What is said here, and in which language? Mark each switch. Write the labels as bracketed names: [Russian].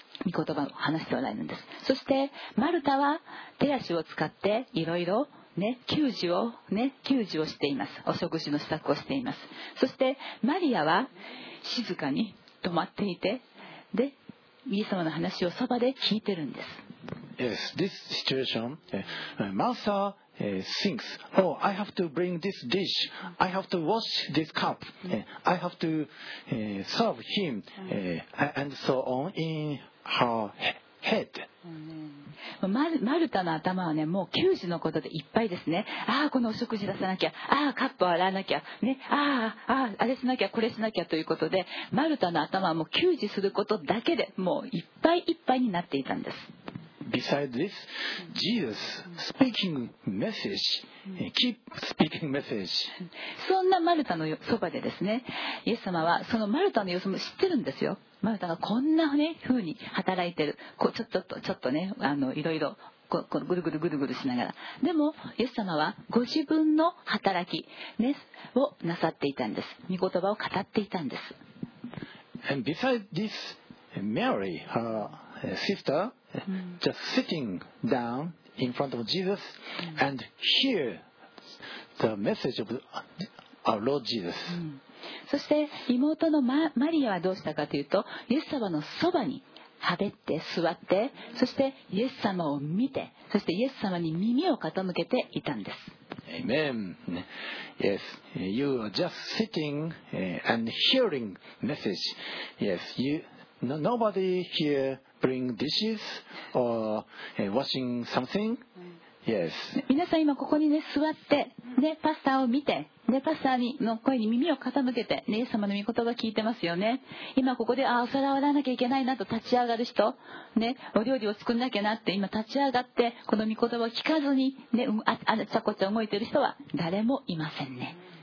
[Japanese] 御言葉を話しておられるんです。そしてマルタは手足を使っていろいろね、給仕をしています。お食事の支度をしています。そしてマリアは静かに止まっていて、で、イエス様の話をそばで聞いてるんです。 [English] Yes, this situation, Martha thinks, oh, I have to bring this dish, I have to wash this cup, I have to serve him, and so on in her head. [Japanese] マルタの頭はね、もう給仕のことでいっぱいですね。ああ、このお食事出さなきゃ、ああ、カップを洗わなきゃ、ね、あれしなきゃ、これしなきゃということで、マルタの頭はもう給仕することだけでもういっぱいいっぱいになっていたんです。 [English] Besides this, Jesus speaking message, keep speaking message. [Japanese] そんなマルタのそばでですね、イエス様はそのマルタの様子も知ってるんですよ。マルタがこんな風に働いてる、ちょっとね、いろいろこうぐるぐるぐるぐるしながら、でもイエス様はご自分の働き、ね、をなさっていたんです。御言葉を語っていたんです。 [English] And besides this, Mary, her sister, just sitting down in front of Jesus and hear the message of our Lord Jesus. [Japanese] そして妹の マリアはどうしたかというと、イエス様のそばにはべって座って、そしてイエス様を見て、そしてイエス様に耳を傾けていたんです。 [English] Amen. Yes, you are just sitting and hearing message. Yes, you, nobody here bring dishes or washing something. Yes. [Japanese] 皆さん今ここにね座って、ね、パスタを見て、ね、パスタの声に耳を傾けて、ね、イエス様の御言葉を聞いてますよね。今ここで、あ、お皿を洗わなきゃいけないなと立ち上がる人、ね、お料理を作んなきゃなって今立ち上がってこの御言葉を聞かずに、ね、あちゃこちゃ動いてる人は誰もいませんね。